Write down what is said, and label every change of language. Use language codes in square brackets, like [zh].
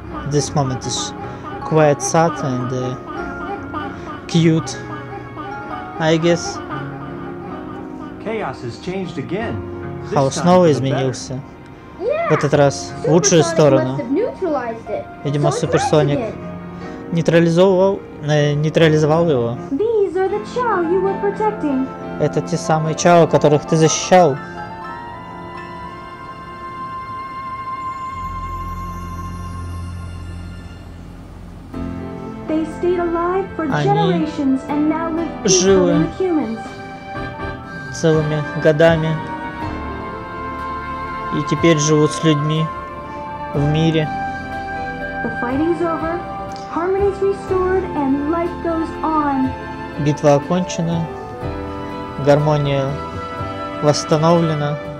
[en] This moment is quite sad and cute, I guess. Chaos has changed again. How snow [ru] изменился. В этот раз в лучшую сторону. Видимо, Суперсоник нейтрализовал его. [en] the Chao you were protecting. [ru] Это те самые Чао, которых ты защищал. [en] They stayed alive for generations and now live peacefully with humans. [ru] Целыми годами. И теперь живут с людьми в мире. [en] The fighting's over. Harmony's restored and life goes on. [ru] Битва окончена. Гармония восстановлена.